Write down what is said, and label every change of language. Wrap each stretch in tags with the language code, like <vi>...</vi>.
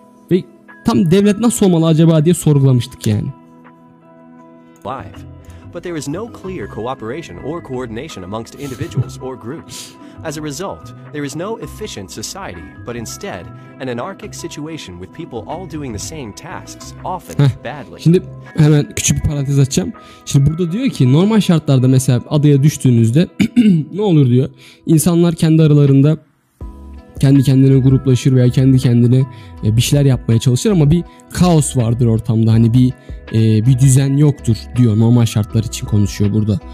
<tr>Ve tam devlet nasıl olmalı acaba diye sorgulamıştık yani.</tr> <en>Live. But there is no clear cooperation or coordination amongst individuals or groups. As a result, there is no efficient society, but instead an anarchic situation with people all doing the same tasks, often badly.</en> <tr>Şimdi hemen küçük bir parantez açacağım. Şimdi burada diyor ki normal şartlarda mesela adaya düştüğünüzde ne olur diyor. İnsanlar kendi aralarında kendi kendine gruplaşır veya kendi kendine bir şeyler yapmaya çalışır ama bir kaos vardır ortamda. Hani bir düzen yoktur diyor, normal şartlar için konuşuyor burada.</tr>